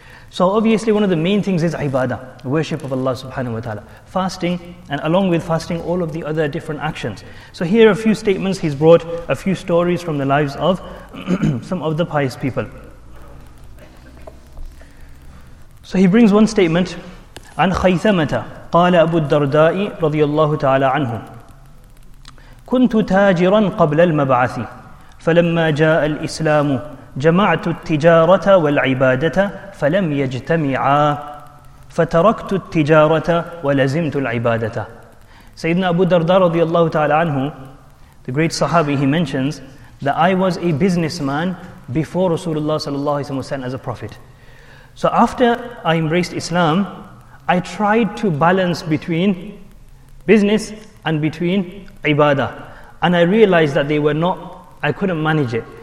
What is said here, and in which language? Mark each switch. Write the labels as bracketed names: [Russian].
[English] So obviously one of the main things is ibadah, worship of Allah subhanahu wa ta'ala. Fasting, and along with fasting, all of the other different actions. So here are a few statements he's brought, a few stories from the lives of some of the pious people. So he brings one statement. [Arabic] عن خيثمة قال أبو الدرداء رضي الله تعالى عنه كنت تاجرا قبل المبعث فلما جاء الإسلام جمعت التجارة والعبادة فلم يجتمعا فتركت التجارة ولزمت العبادة. سيدنا أبو درداء رضي الله تعالى عنه, [English] the great Sahabi, he mentions that I was a businessman before Rasulullah sallallahu alaihi wasallam as a prophet. So after I embraced Islam, I tried to balance between business and between ibadah, and I realized that they were not, I couldn't manage it.